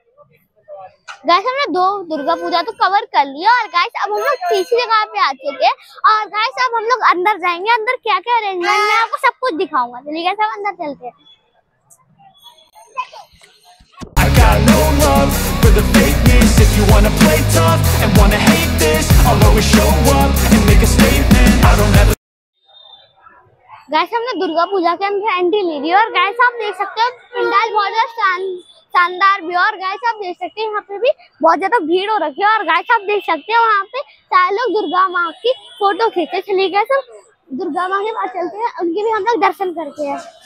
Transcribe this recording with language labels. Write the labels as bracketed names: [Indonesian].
[Hindi] Guys हमने दो दुर्गा पूजा तो कवर कर लिया, और गाइस अब हम लोग तीसरी जगह पे आ चुके हैं। और गाइस अब हम लोग अंदर जाएंगे, अंदर क्या क्या अरेंजमेंट मैं आपको सब कुछ दिखाऊंगा। चलिए गाइस अब अंदर चलते हैं। [English] I got no love for the fakeness. If you wanna play tough and wanna hate this, I'll always show up and make a statement. I don't ever. [Hindi] Guys हमने दुर्गा पूजा के अंदर एंट्री ले ली, और गाइस आप देख सकते हो पंडाल बहुत शानदार भी। और गाइस आप देख सकते हैं यहाँ पे भी बहुत ज्यादा भीड़ हो रखी है, और गाइस आप देख सकते हैं वहाँ पे सारे लोग दुर्गा माँ की फोटो खींचते। चलिए गाइस हम दुर्गा माँ के पास चलते हैं, उनके भी हम लोग दर्शन करते हैं।